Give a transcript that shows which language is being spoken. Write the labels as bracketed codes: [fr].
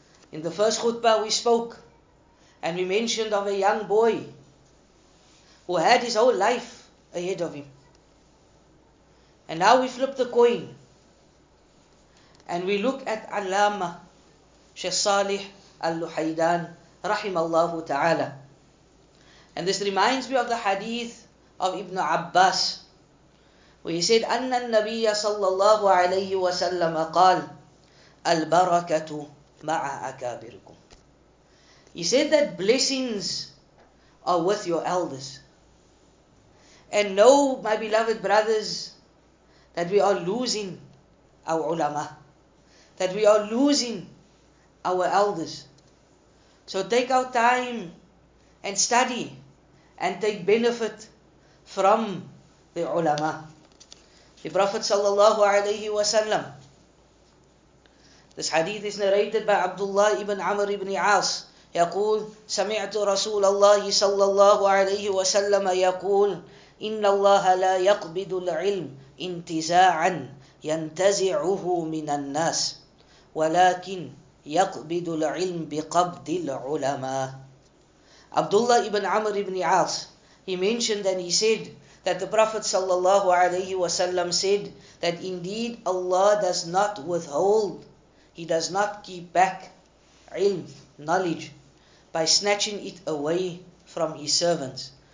[en] In the first khutbah we spoke and we mentioned of a young boy who had his whole life ahead of him. And now we flip the coin and we look at Allama Sheikh Salih Al-Luhaydan Rahimallahu Ta'ala. And this reminds me of the hadith of Ibn Abbas, where he said, [ar] أن النبي صلى الله عليه وسلم قال البركة مع أكابركم. [en] He said that blessings are with your elders. And know, my beloved brothers, that we are losing our ulama, that we are losing our elders. So take our time and study and take benefit from the ulama. The Prophet sallallahu alayhi wa sallam, this hadith is narrated by Abdullah ibn Amr ibn As. [ar] يقول سمعت رسول الله صلى الله عليه وسلم يقول إن الله لا يقبض العلم انتزاعا ينتزعه من الناس ولكن يقبض العلم بقبض العلماء. [en] Abdullah ibn Amr ibn As, he mentioned and he said that the Prophet sallallahu alayhi wa sallam said that indeed Allah does not withhold, he does not keep back ilm, knowledge, by snatching it away from his servants.